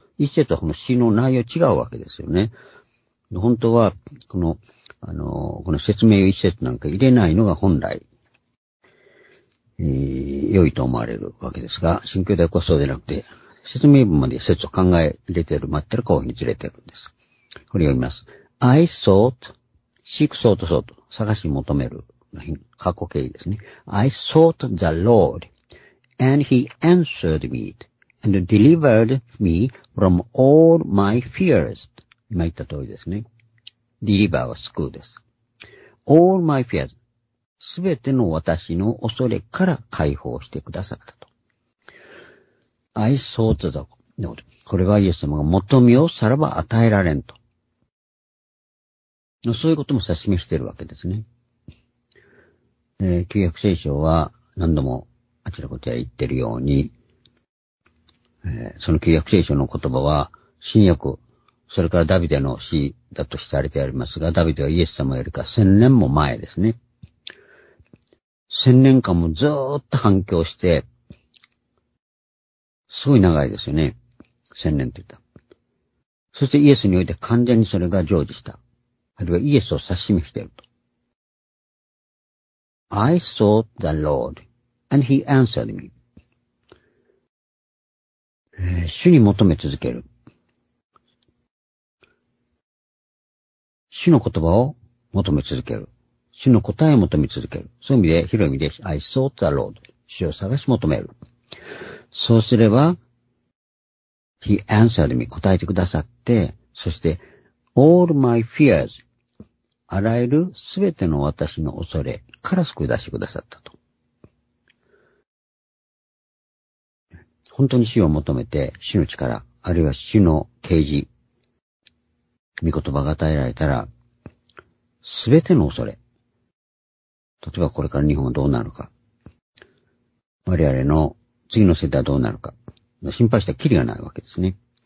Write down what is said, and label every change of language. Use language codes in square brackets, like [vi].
[ja] 1節はこの詩の内容違うわけですよね。本当は、この説明を1節なんか入れないのが本来、良いと思われるわけですが、新教ではそうでなくて、説明文まで1節を考え入れている、待ってるかをずれてるんです。これ読みます。 [en] I thought, seek thought thought. [ja] 探し求める。過去形ですね。 [en] I sought the Lord, and he answered me, and delivered me from all my fears. [ja] 今言った通りですね。 deliver は救うです。 [en] all my fears. [ja] すべての私の恐れから解放してくださったと。 [en] I sought the Lord. [ja] これはイエス様が求めをさらば与えられんと。そういうことも指し示しているわけですね。旧約聖書は何度もあちらこちら言っているように、その旧約聖書の言葉は新約、それからダビデの詩だとされてありますが、ダビデはイエス様よりか千年も前ですね。千年間もずーっと反響して、すごい長いですよね。千年と言った。そしてイエスにおいて完全にそれが成就した。あるいはイエスを指し示していると。 [en] I sought the Lord, and he answered me. [ja] 主に求め続ける。主の言葉を求め続ける。主の答えを求め続ける。そういう意味で、広い意味で、 [en] I sought the Lord. [ja] 主を探し求める。そうすれば、 [en] he answered me. [ja] 答えてくださって、そして、 [en] all my fears. [ja] あらゆるすべての私の恐れから救い出してくださったと。本当に死を求めて死の力、あるいは死の啓示、御言葉が与えられたら、すべての恐れ、例えばこれから日本はどうなるか、我々の次の世代はどうなるか、心配したらきりがないわけですね。